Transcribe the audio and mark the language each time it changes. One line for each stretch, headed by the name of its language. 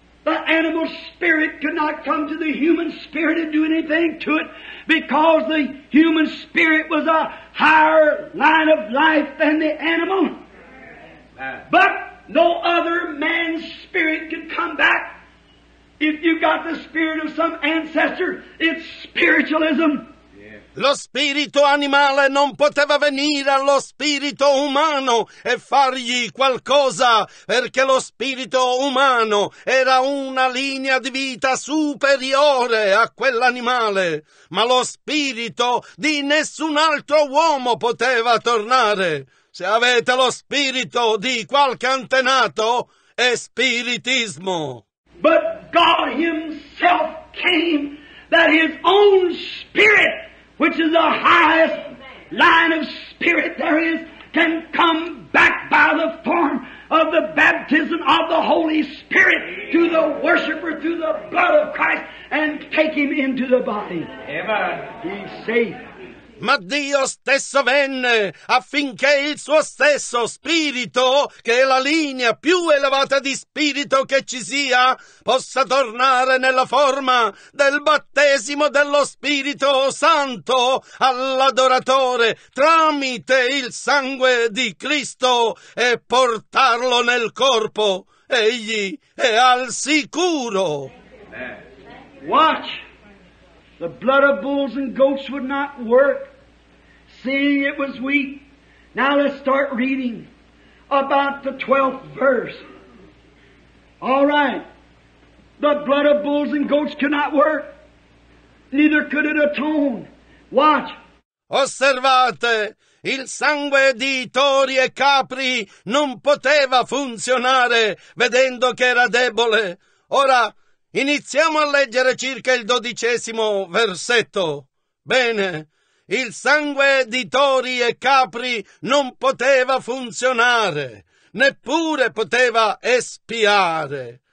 English: The animal spirit could not come to the human spirit and do anything to it, because the human spirit was a higher line of life than the animal. But no other man's spirit could come back. If you got the spirit of some ancestor, it's spiritualism.
Italian: Lo spirito animale non poteva venire allo spirito umano e fargli qualcosa, perché lo spirito umano era una linea di vita superiore a quell'animale. Ma lo spirito di nessun altro uomo poteva tornare. Se avete lo spirito di qualche antenato, è spiritismo.
English: But God himself came, that his own spirit, which is the highest line of spirit there is, can come back by the form of the baptism of the Holy Spirit to the worshiper through the blood of Christ and take him into the body. Amen. He's safe.
Italian: ma Dio stesso venne affinché il suo stesso spirito, che è la linea più elevata di spirito che ci sia, possa tornare nella forma del battesimo dello Spirito Santo all'adoratore tramite il sangue di Cristo e portarlo nel corpo. Egli è al sicuro.
English: Watch! The blood of bulls and goats would not work, seeing it was weak. Now let's start reading about the 12th verse. All right. The blood of bulls and goats cannot work, neither could it atone. Watch.
Italian: Osservate. Il sangue di tori e capri non poteva funzionare, vedendo che era debole. Ora, iniziamo a leggere circa il 12° versetto. Bene, il sangue di tori e capri non poteva funzionare, neppure poteva espiare.